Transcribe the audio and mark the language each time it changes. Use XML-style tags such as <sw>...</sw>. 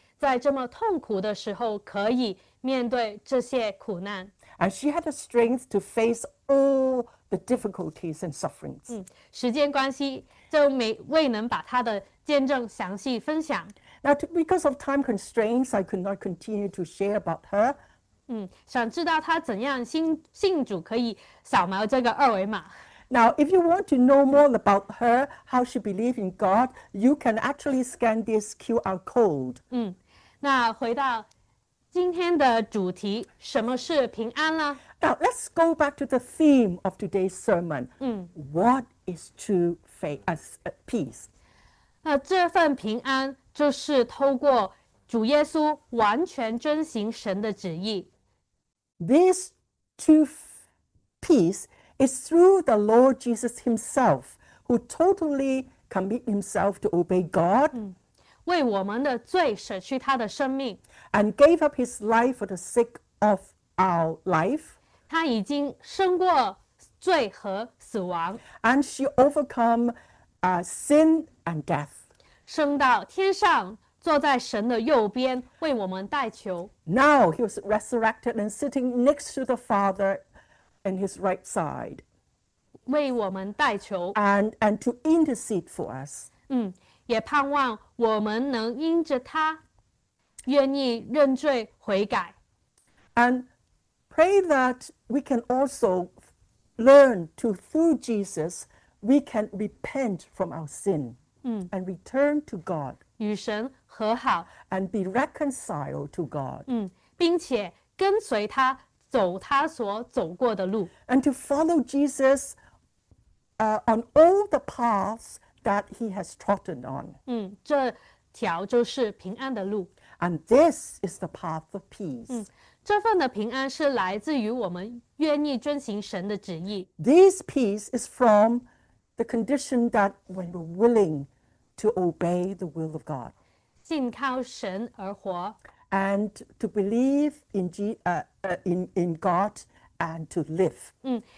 <zh>在这么痛苦的时候，可以面对这些苦难。</zh> <en>And she had the strength to face all the difficulties and sufferings.</en> <zh>时间关系，就未能把她的见证详细分享。</zh> <en>Now, because of time constraints, I could not continue to share about her.</en> <zh>想知道她怎样信主，可以扫描这个二维码。</zh> <en>Now, if you want to know more about her, how she believed in God, you can actually scan this QR code.</en> <zh>那回到今天的主题，什么是平安呢？</zh> <en>Now, let's go back to the theme of today's sermon. What is true faith as peace?</en> <zh>这份平安就是透过主耶稣完全遵行神的旨意。</zh> <en>This true peace is through the Lord Jesus himself, who totally commit himself to obey God,</en> <zh>为我们的罪舍去他的生命。</zh> <en>And gave up his life for the sake of our life.</en> <zh>他已经胜过罪和死亡。</zh> <en>And she overcome sin and death.</en> <zh>升到天上，坐在神的右边，为我们代求。</zh> <en>Now he was resurrected and sitting next to the Father in his right side.</en> <zh>为我们代求。</zh> <en>And to intercede for us.</en> <zh>也盼望我们能因着他愿意认罪悔改。</zh> <en>And pray that we can also learn to, through Jesus, we can repent from our sin and return to God.</en> <zh>与神和好。</zh> <en>And be reconciled to God.</en> <zh>并且跟随他走他所走过的路。</zh> <en>And to follow Jesus on all the paths that he has trodden on.</en> <zh>这条就是平安的路。</zh> <en>And this is the path of peace.</en> <zh>这份的平安是来自于我们愿意遵行神的旨意。</zh> <en>This peace is from the condition that when we're willing to obey the will of God.</en> <zh>信靠神而活。</zh> <en>And to believe in God and to live.</en>